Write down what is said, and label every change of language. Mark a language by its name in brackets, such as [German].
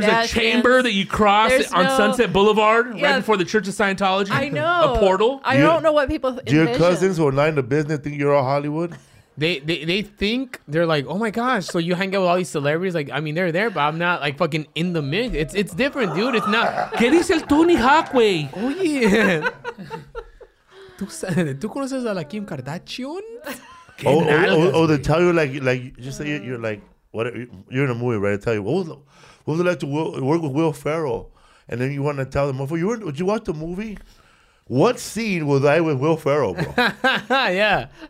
[English] There's a chamber that you cross on Sunset Boulevard right before the Church of Scientology. I know. A portal. I don't know what people envision. Do your cousins who are not in the business think you're all Hollywood? They think they're like, oh my gosh, so you hang out with all these celebrities. Like, I mean, they're there, but I'm not like fucking in the mix. It's different, dude. It's not. [Spanish] ¿Qué dice el Tony Hawkway? [English] Oh, yeah. [Spanish] ¿Tú conoces a la Kim Kardashian? [English] Oh, they tell you like, just say you're like, what you're in a movie, right? I tell you, what was it like to work with Will Ferrell? And then you want to tell them, did you watch the movie? What scene was I with Will Ferrell, bro? Yeah.